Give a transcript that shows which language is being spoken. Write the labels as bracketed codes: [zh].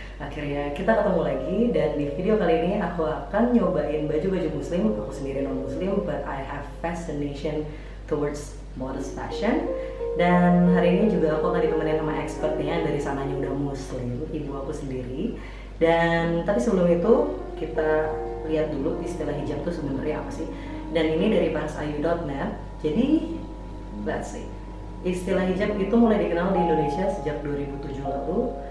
[id] Akhirnya kita ketemu lagi, dan di video kali ini aku akan nyobain baju-baju muslim. Aku sendiri non-muslim, [en] but I have fascination towards modest fashion. [id] Dan hari ini juga aku akan ditemenin sama expertnya dari sananya udah muslim, ibu aku sendiri. Dan tapi sebelum itu, kita lihat dulu istilah hijab itu sebenarnya apa sih. Dan ini dari parsayu.net. Jadi, [en] let's see. [id] Istilah hijab itu mulai dikenal di Indonesia sejak 2007 lalu.